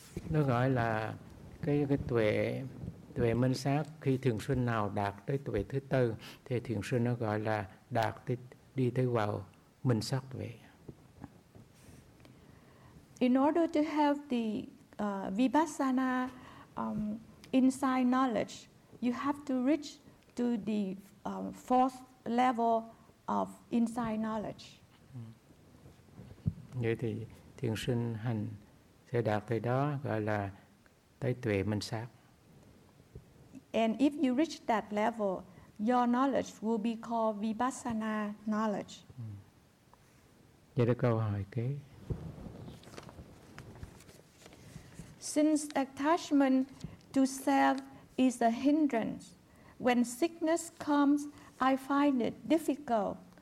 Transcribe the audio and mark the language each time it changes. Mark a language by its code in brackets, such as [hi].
[vi] Nó gọi là cái tuệ minh sát, khi thiền sinh nào đạt tới tuệ thứ tư thì thiền sinh nó gọi là đạt tới, đi tới vào minh sát tuệ. [en] In order to have the vipassana insight knowledge, you have to reach to the fourth level of insight knowledge. [vi] Vậy thì thiền sinh hành sẽ đạt tới đó, gọi là tới tuệ minh sát. [en] And if you reach that level, your knowledge will be called vipassana knowledge. [vi] Vậy là câu hỏi kế. [en] Since attachment to self is a hindrance, when sickness comes, I find it difficult